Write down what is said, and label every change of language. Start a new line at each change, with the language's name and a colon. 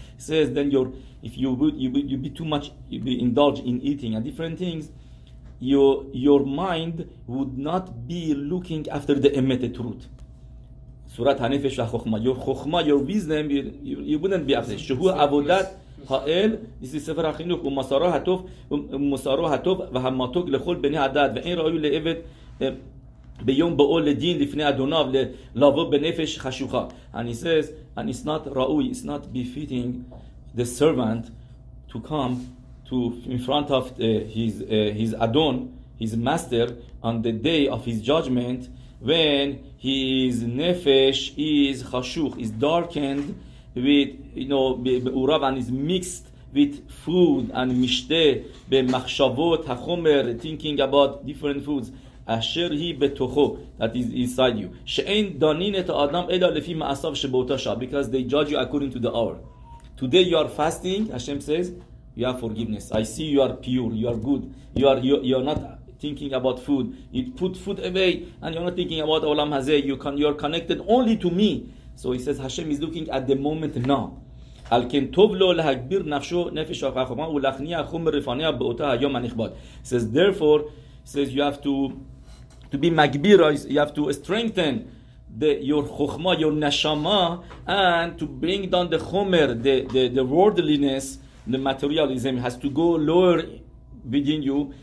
English: He says, then if you be too much indulge in eating and different things, your mind would not be looking after the emet, the truth.
Hebrew: צורת הנפש החוכמה,
English: your חוכמה, your wisdom, you wouldn't be after.
Hebrew: שהוא עבודת האל,
English: this is
Hebrew: ספר החינוך, ומוסרו הטוב והמתוק לכל בני הדעת, ואין ראוי לעבד ביום באו לדין לפני אדוניו לבוא בנפש חשוכה.
English: And he says, and it's not ראוי, it's not befitting the servant to come to in front of his adon, his master, on the day of his judgment when his nefesh is חשוך, is darkened with, בעוריו, and is mixed with food and
Hebrew: משתה במחשבות החומר,
English: thinking about different foods.
Hebrew: אשר היא בתוכו,
English: that is inside you.
Hebrew: שאין דנין את האדם אלא לפי מעשיו שבאותה שעה,
English: because they judge you according to the hour. Today you are fasting, Hashem says, you have forgiveness. I see you are pure, you are good. You are not thinking about food. You put food away and you're not thinking about Olam Hazeh. You are connected only to me. So he says, Hashem is looking at the moment now.
Hebrew: על כן טוב לו להגביר נפשו, נפש החכמה, ולהכניע חומר לפניה באותה היום הנכבד.
English: He says, therefore, says you have to be magbira, you have to strengthen your chokhmah, your neshama, and to bring down the chomer, the worldliness, the materialism has to go lower within you.